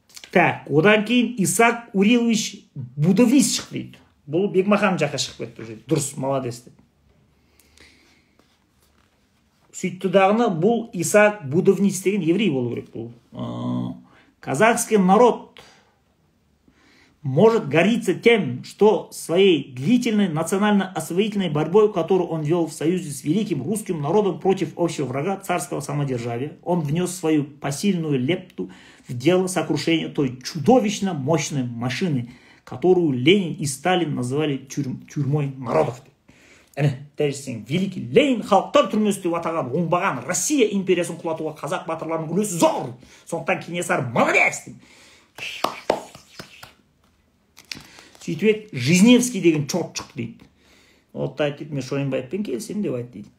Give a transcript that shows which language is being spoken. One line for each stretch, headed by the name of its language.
Kazakh: Так, одан кейін Исаак Урилович Будовис шықты дейді. Бұл Бекмахан жаққа шығып кетті уже. Дұрыс, молодец деп. Сөйтті дағыны бұл Исаак Будовниц деген еврей болу керек бұл.
Russian: Казахский народ может гордиться тем, что своей длительной национально-освоительной борьбой, которую он вел в союзе с великим русским народом против общего врага царского самодержавия, он внес свою посильную лепту в дело сокрушения той чудовищно мощной машины, которую Ленин и Сталин называли тюрьмой народов.
Kazakh: Великий Ленин халықтар түрмесі деп атаған оңбаған Россия империясын құлатуға қазақ батырларының үлесі зор. Сондықтан Кенесары молодец. Сөйтіп еді, Жизневский деген чоп шықты дейді. Отта айтып, мен Шойынбаевпен келсем деп айтты дейді.